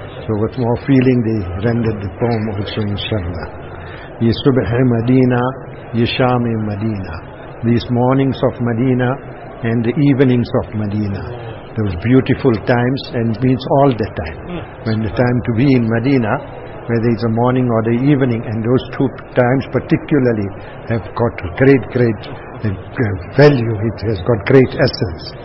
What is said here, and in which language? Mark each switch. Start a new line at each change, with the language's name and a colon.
English: So with more feeling they rendered the poem also inshallah.
Arabic: يا صبح مدينة يا شام مدينة.
English: These mornings of Medina and the evenings of Medina. Those beautiful times and means all the time. When the time to be in Medina, whether it's a morning or the evening, and those two times particularly have got great value, it has got great essence.